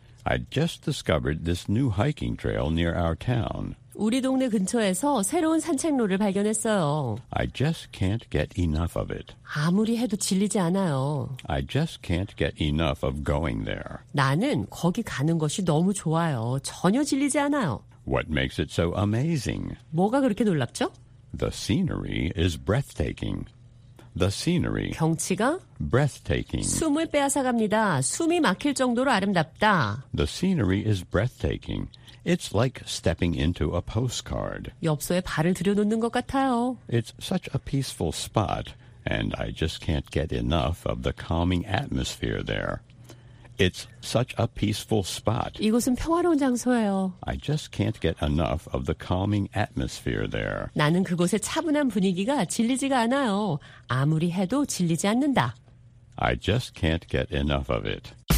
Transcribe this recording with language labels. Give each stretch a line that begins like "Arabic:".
English: I just discovered this new hiking trail near our town.
Korean: 우리 동네 근처에서 새로운 산책로를 발견했어요.
English: I just can't get enough of it.
Korean: 아무리 해도 질리지 않아요.
English: I just can't get enough of going there.
Korean: 나는 거기 가는 것이 너무 좋아요. 전혀 질리지 않아요.
English: What makes it so amazing?
Korean: 뭐가 그렇게 놀랍죠?
English: The scenery is breathtaking. The scenery.
Korean: 경치가
English: breathtaking.
Korean: 숨을 빼앗아 갑니다. 숨이 막힐 정도로 아름답다.
English: The scenery is breathtaking. It's like stepping into a postcard.
Korean: 엽서에 발을 들여놓는 것 같아요.
English: It's such a peaceful spot, and I just can't get enough of the calming atmosphere there. It's such a peaceful spot.
Korean: 이곳은 평화로운 장소예요.
English: I just can't get enough of the calming atmosphere there.
Korean: 나는 그곳의 차분한 분위기가 질리지가 않아요. 아무리 해도 질리지 않는다.
English: I just can't get enough of it.